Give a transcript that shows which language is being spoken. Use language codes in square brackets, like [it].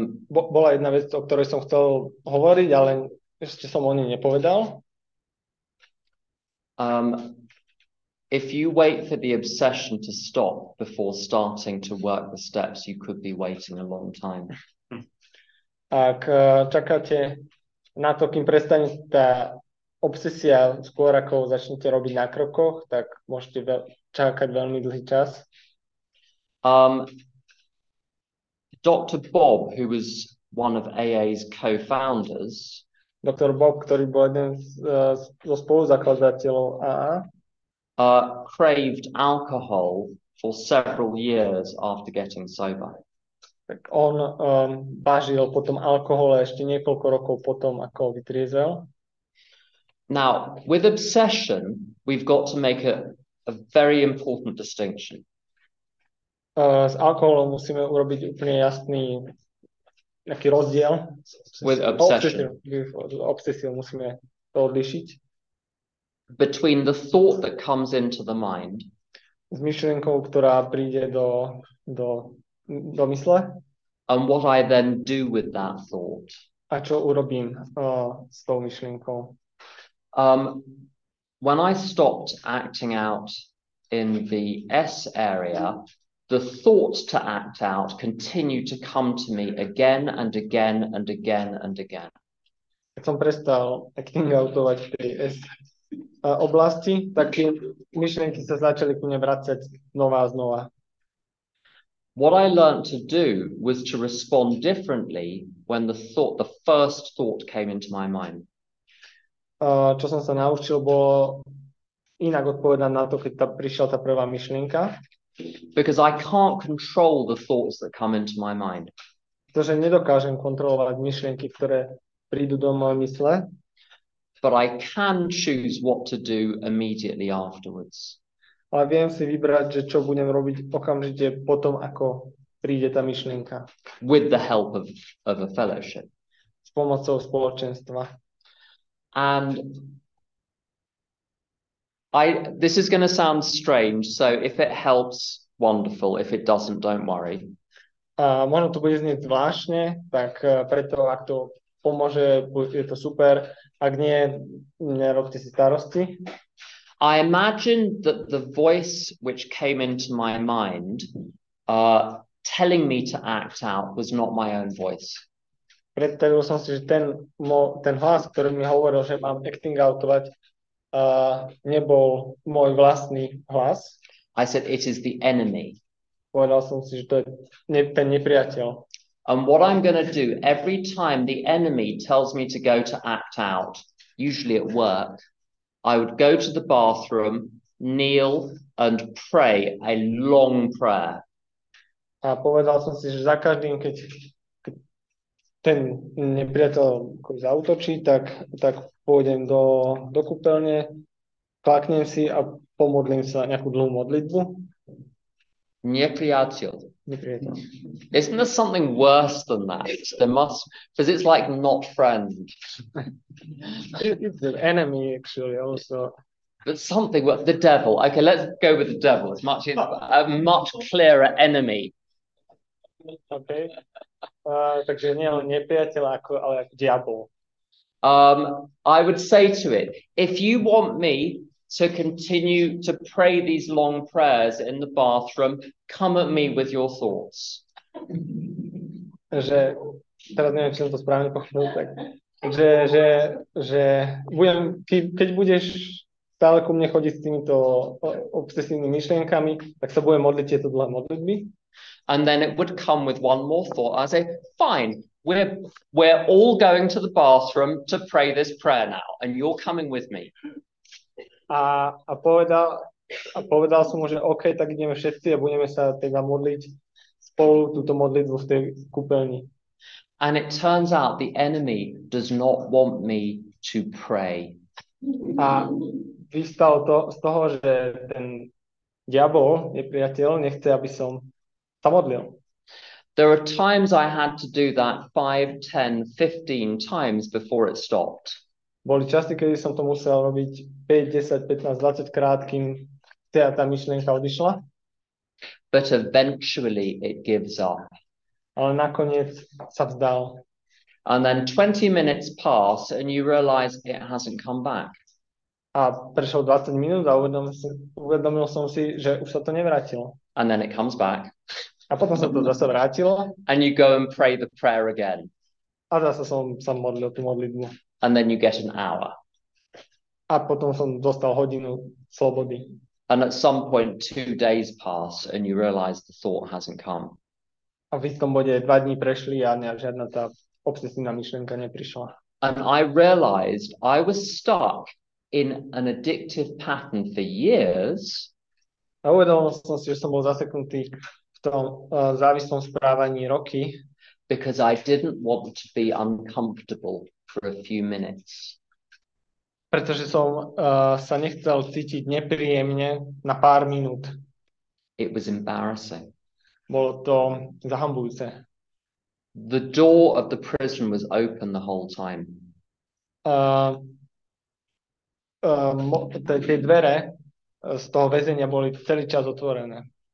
[sk] Bola jedna vec, o ktorej som chcel hovoriť, ale ešte som o nej nepovedal. [en] If you wait for the obsession to stop before starting to work the steps, you could be waiting a long time. [sk] Ak čakáte na to, kým prestane tá obsesia, skôr ako začnete robiť na krokoch, tak môžete čakať veľmi dlhý čas. [en] Dr. Bob, who was one of AA's co-founders, [sk] Dr. Bob, ktorý bol jeden zo spoluzakladateľov AA, [en] craved alcohol for several years after getting sober. [sk] Tak on bážil potom alkohol ešte niekoľko rokov potom, ako vytriezel. [en] Now, with obsession, we've got to make a very important distinction. [sk] S alkoholom musíme urobiť úplne jasný nejaký rozdiel. [en] With obsession. [sk] Obsesiu musíme to odlišiť. [en] Between the thought that comes into the mind. [sk] S myšlenkou, ktorá príde do mysle. [en] And what I then do with that thought. [sk] A čo urobím s tou myšlenkou. [en] When I stopped acting out in the S area, the thoughts to act out continue to come to me again and again and again and again. [sk] Keď som prestal acting outovať v tej S oblasti, tak tie myšlenky sa začali ku mne vracať znova a znova. [en] What I learned to do was to respond differently when the first thought came into my mind. [sk] Čo som sa naučil, bolo inak odpovedať na to, keď tam prišla tá prvá myšlienka. [en] Because I can't control the thoughts that come into my mind. [sk] Pretože nedokážem kontrolovať myšlienky, ktoré prídu do mojej mysle. [en] But I can choose what to do immediately afterwards. [sk] Ale viem si vybrať, že čo budem robiť okamžite potom, ako príde tá myšlienka. [en] With the help of a fellowship. [sk] S pomocou spoločenstva. [en] And this is going to sound strange, so if it helps, wonderful. If it doesn't, don't worry. [sk] Možno to bude znieť zvláštne, tak preto, ak to pomôže, je to super. Ak nie, nerobte si starosti. [en] I imagined that the voice which came into my mind telling me to act out was not my own voice. [sk] Predstavil som si, že ten hlas, ktorý mi hovoril, že mám acting outovať, nebol môj vlastný hlas. [en] I said, it is the enemy. [sk] Povedal som si, že to je ten nepriateľ. [en] And what I'm going to do every time the enemy tells me to go to act out, usually at work, I would go to the bathroom, kneel and pray a long prayer. [sk] A povedal som si, že za každým, keď ten nepriateľ zaútočí, tak pôjdem do kúpeľne, klaknem si a pomodlím sa nejakú dlhú modlitbu. Nepriateľ. [en] Isn't there something worse than that? There must, because it's like not friend. It's an enemy, actually, also. But something, the devil. Okay, let's go with the devil. It's a much clearer enemy. Okay. [sk] Takže nie nepriateľ, ale diabol. [en] I would say to it, if you want me to continue to pray these long prayers in the bathroom, come at me with your thoughts. [sk] Že teraz neviem, či som to správne pochopil, tak že budem, keď budeš stále ku mne chodiť s týmito obsesívnymi myšlienkami, tak sa budem modliť tieto dlhé modlitby. [en] And then it would come with one more thought. I say, fine, we're all going to the bathroom to pray this prayer now, and you're coming with me. [sk] A povedal som mu, že OK, tak ideme všetci a budeme sa teda modliť spolu túto modlitbu v tej kúpeľni. [en] And it turns out the enemy does not want me to pray. [sk] A vystalo to z toho, že ten diabol, nepriateľ, nechce, aby som sa modlil. [en] There are times I had to do that 5, 10, 15 times before it stopped. [sk] Boli časti, kedy som to musel robiť 5, 10, 15, 20 krát, kým tá myšlienka odišla. [en] But eventually it gives up. [sk] Ale nakoniec sa vzdal. [en] And then 20 minutes pass and you realize it hasn't come back. [sk] A prešlo 20 minút a uvedomil som si, že už sa to nevrátilo. [en] And then it comes back. [sk] A potom sa to zase vrátilo. [en] And you go and pray the prayer again. [sk] A zase som sa modlil tú modlitbu. [en] And then you get an hour. [sk] A potom som dostal hodinu slobody. [en] And at some point 2 days pass and you realize the thought hasn't come. [sk] A v istom bode 2 dní prešli a nejak žiadna tá obsesívna myšlienka neprišla. [en] And I realized I was stuck in an addictive pattern for years. [sk] A uvedomil som si, že som bol zaseknutý v tom závislom správaní roky. [en] Because I didn't want to be uncomfortable for a few minutes. [sk] Pretože som sa nechcel cítiť nepríjemne na pár minút. [en] It was embarrassing. [sk] Bolo to zahambujúce. [en] The door of the prison was open the whole time. [sk] Tie dvere z toho väzenia boli celý čas otvorené.